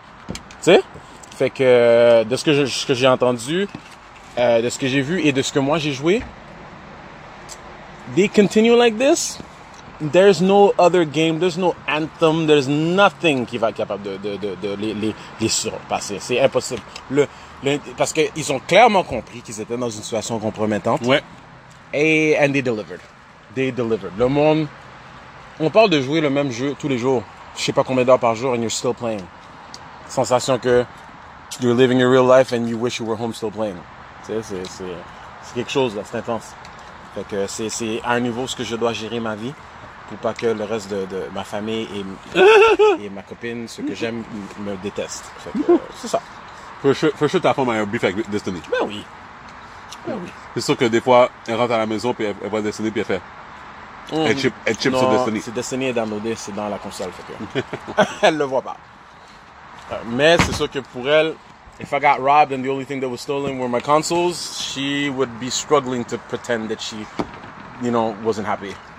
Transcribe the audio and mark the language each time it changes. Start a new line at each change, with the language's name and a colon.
French: Tu sais? Fait que, de ce que j'ai entendu, de ce que j'ai vu et de ce que moi j'ai joué,
English: they continue like this, there's no other game, there's no anthem, there's nothing
French: qui va être capable de les surpasser. C'est impossible. Parce qu'ils ont clairement compris qu'ils étaient dans une situation compromettante. Ouais.
English: And they delivered. They delivered.
French: Le monde, on parle de jouer le même jeu tous les jours. Je sais pas combien d'heures par jour
English: and you're still playing.
French: Sensation que
English: you're living your real life and you wish you were home still playing.
French: Tu sais, c'est quelque chose, là, c'est intense. Fait que c'est à un niveau ce que je dois gérer ma vie pour pas que le reste de ma famille et ma copine, ceux que j'aime, me détestent. Fait que c'est ça.
English: For sure,
French: ta femme a un beef avec Destiny. Ben oui. Ben oui. C'est sûr que des fois, elle rentre à la maison, puis elle voit Destiny, puis elle fait. Elle chip sur Destiny. C'est Destiny est downloadé, c'est dans la console. Fait que elle le voit pas. Mais c'est sûr que pour elle.
English: If I got robbed and the only thing that was stolen were my consoles, she would be struggling to pretend that she, you know, wasn't happy.